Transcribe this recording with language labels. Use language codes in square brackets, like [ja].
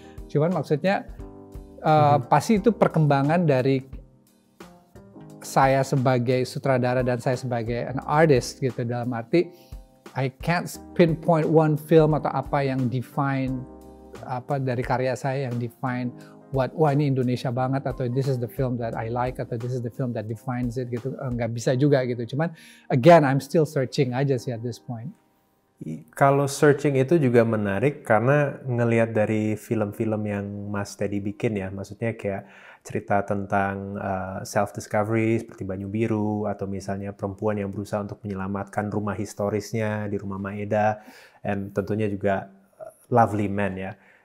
[id] Cuman maksudnya pasti itu perkembangan dari saya sebagai sutradara dan saya sebagai [en] an artist [id] gitu, dalam arti [en] I can't pinpoint one film [id] atau apa yang define apa dari karya saya yang [en] define what, [id] wah ini Indonesia banget atau [en] this is the film that I like [id] atau [en] this is the film that defines it [id] gitu, nggak bisa juga gitu. [en] Cuman again I'm still searching [id] aja sih [en] at this point. [id] Kalau searching itu juga menarik karena ngelihat dari film-film yang Mas Teddy bikin ya, maksudnya kayak cerita tentang self-discovery seperti Banyu Biru atau misalnya perempuan yang berusaha untuk menyelamatkan rumah historisnya di rumah Maeda, dan tentunya juga Lovely Man ya.